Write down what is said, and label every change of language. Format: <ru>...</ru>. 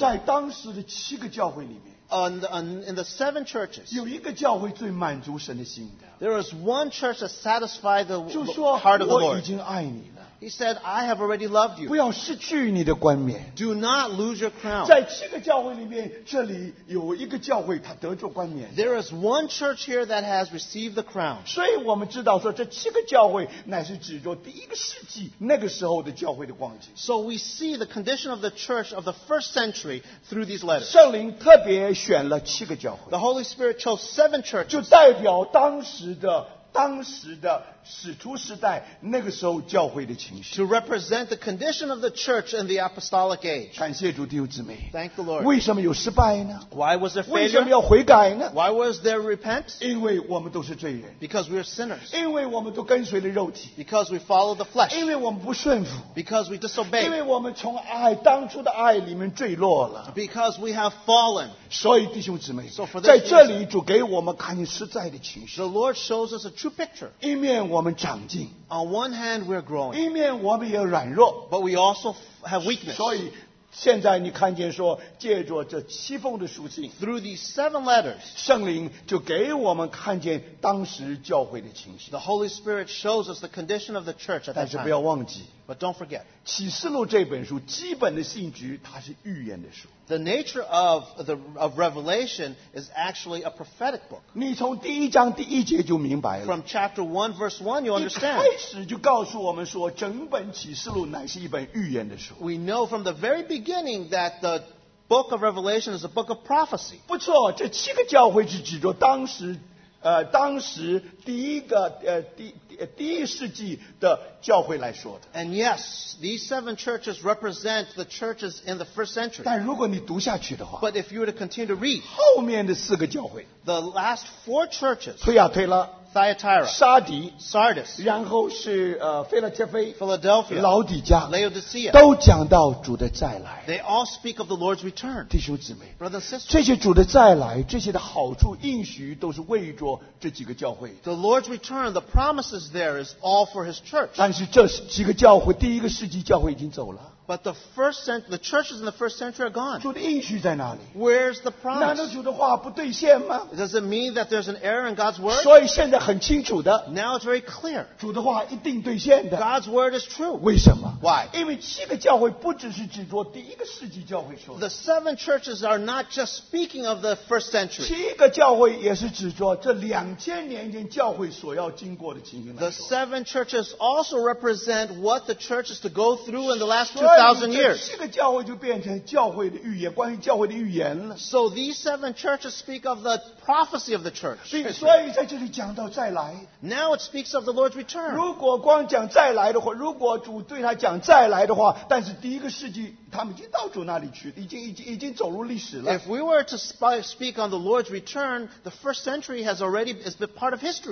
<zh>在当时的七个教会里面,</zh> <en>in the seven churches,</en> <zh>有一个教会最满足神的心的,</zh> <en>there is one church that satisfied the heart of the Lord. He said, I have already loved you.</en> <zh>不要失去你的冠冕,</zh> <en>do not lose your crown.</en> <zh>在七个教会里面, 这里有一个教会, 他得着冠冕,</zh> <en>there is one church here that has received the crown.</en> <zh>所以我们知道说这七个教会乃是指着第一个世纪, 那个时候的教会的光景,</zh> <en>so we see the condition of the church of the first century through these letters.</en> <zh>圣灵特别选了七个教会,</zh> <en>the Holy Spirit chose seven churches.</en> <zh>就代表当时的使徒时代,</zh> <en>to represent the condition of the church in the apostolic age.</en> <zh>感谢主弟兄姊妹,</zh> <en>thank the Lord.</en> <zh>为什么有失败呢?</zh> <en>Why was there failure?</en> <zh>为什么要悔改呢?</zh> <en>Why was there repent?</en> <zh>因为我们都是罪人,</zh> <en>because we are sinners.</en> <zh>因为我们都跟随了肉体,</zh> <en>because we follow the flesh.</en> <zh>因为我们不顺服,</zh> <en>because we disobey.</en> <zh>因为我们从爱, 当初的爱里面坠落了,</zh> <en>because we have fallen.</en> <zh>所以弟兄姊妹,</zh> <en>so for this</en> <zh>在这里,</zh> <en>reason,</en> <zh>主给我们看见实在的情绪,</zh> <en>the Lord shows us a true picture.</en> <zh>一面我们长进,</zh> <en>on one hand we are growing,</en> <zh>一面我们也软弱,</zh> <en>but we also have weakness.</en> <zh>所以, 现在你看见说借着这七封的书信</zh> <en>through these seven letters</en> <zh>圣灵就给我们看见当时教会的情形</zh> <en>the Holy Spirit shows us the condition of the church at that time</en> <zh>但是不要忘记</zh> <en>but don't forget</en> <zh>启示录这本书基本的性质它是预言的书</zh> <en>the nature of, the, of Revelation is actually a prophetic book</en> <zh>你从第一章第一节就明白了</zh> <en>from chapter 1 verse 1 you understand</en> <zh>一开始就告诉我们说整本启示录乃是一本预言的书</zh> <en>we know from the very beginning that the book of Revelation is a book of prophecy.</en> <zh>不错，这七个教会是指着当时，当时第一个，第一世纪的教会来说的。</zh> <en>And yes, these seven churches represent the churches in the first century.</en> <zh>但如果你读下去的话</zh> <en>，But if you were to continue to read,</en> <zh>后面的四个教会</zh> <en>，The last four churches.</en> <zh>推亚推拉。</zh> <en>Thyatira,</en> <zh>沙迪</zh> <en>Sardis,</en> <zh>然后是腓立帖菲</zh> <en>Philadelphia,</en> <zh>老底加</zh> <en>Laodicea,</en> <zh>都讲到主的再来。</zh> <en>They all speak of the Lord's return.</en> <zh>弟兄姊妹</zh> <en>Brothers and sisters,</en> <zh>这些主的再来，这些的好处应许都是为着这几个教会。</zh> <en>The Lord's return, the promises there is all for His church.</en> <zh>但是这几个教会，第一个世纪教会已经走了。</zh> <en>But the first century, the churches in the first century are gone.</en> <zh>主的应许在哪里？</zh> <en>Where's the promise?</en> <zh>难道主的话不兑现吗？</zh> <en>Does it mean that there's an error in God's word?</en> <zh>所以现在很清楚的。</zh> <en>Now it's very clear.</en> <zh>主的话一定兑现的。</zh> <en>God's word is true.</en> <zh>为什么？</zh> <en>Why?</en> <zh>因为七个教会不只是指着第一个世纪教会说的。</zh> <en>The seven churches are not just speaking of the first century.</en> <zh>七个教会也是指着这两千年间教会所要经过的情形来说。</zh> <en>The seven churches also represent what the church is to go through in the last 2000 years.</en> <zh>这个教会就变成教会的预言,</zh> <en>so these seven churches speak of the prophecy of the church.</en> <zh>所以在这里讲到再来。</zh> <en>Now it speaks of the Lord's return.</en> <zh>如果光讲再来的话，如果主对他讲再来的话，但是第一个世纪他们已经到主那里去，已经走入历史了。</zh> <en>If we were to speak on the Lord's return, the first century has already is part of history.</en>